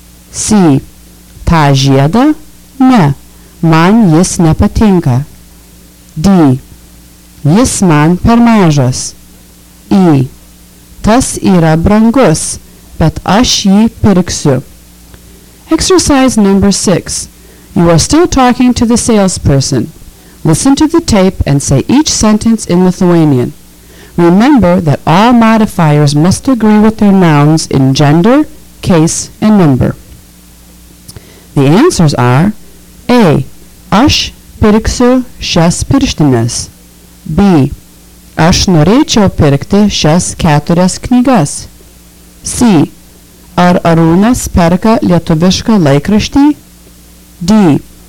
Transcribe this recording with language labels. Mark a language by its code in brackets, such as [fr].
[lt] C. Tą žiedą? Ne, man jis nepatinka. D. Jis man per mažas. E. Tas yra brangus, bet aš jį pirksiu. [en] Exercise number 6. You are still talking to the salesperson. Listen to the tape and say each sentence in Lithuanian. Remember that all modifiers must agree with their nouns in gender, case, and number. The answers are A. [lt] Aš pirksiu šias pirštines. B. Aš norėčiau pirkti šias keturias knygas. C. Ar Arūnas perka lietuvišką laikraštį? D.